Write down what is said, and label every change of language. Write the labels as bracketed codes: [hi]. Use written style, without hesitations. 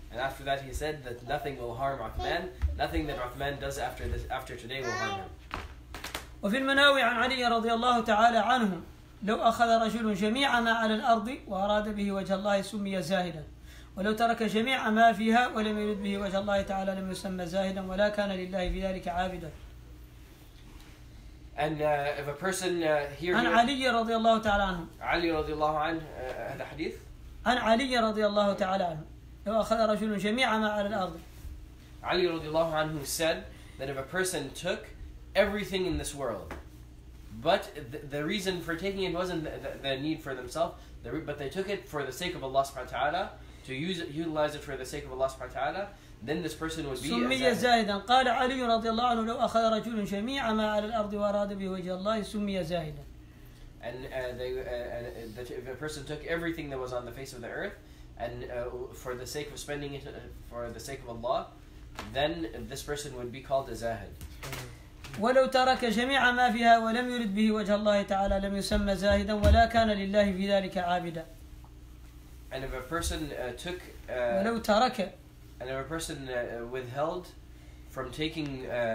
[en] And after that, he said that nothing will harm Uthman. Nothing that Uthman does after this, after today, will harm him. [ar] وفي المناوي عن علي رضي الله تعالى عنه لو أخذ رجل جميع ما على الأرض وأراد به وجه الله سمي زاهدا. ولو ترك جميع ما فيها ولم يرد به وجه الله تعالى لم يسمى زاهدا ولا كان لله في ذلك عابدا. [en] And if a person here. [ar] عن علي رضي الله تعالى عنه. علي رضي الله عنه هذا حديث. عن علي رضي الله تعالى عنه لو أخذ رجل جميع ما على الأرض. [en] علي [ar] رضي الله عنه [en] said that if a person took everything in this world, but the reason for taking it wasn't the need for themselves, but they took it for the sake of Allah subhanahu wa ta'ala. To utilize it for the sake of Allah subhanahu wa ta'ala, then this person would be [ar] summiya zahidan. قال علي رضي الله عنه لو أخذ رجل جميع ما على الأرض وأراد به وجه الله سمي زاهدا. [en] And if a person took everything that was on the face of the earth, and for the sake of spending it for the sake of Allah, then this person would be called a zahid. [ar] ولو ترك جميع ما فيها ولم يرد به وجه الله تعالى لم يسمى زاهدا ولا كان لله في ذلك عابدا. [en] And if a person took [ar] ولو ترك [en] and if a person withheld from taking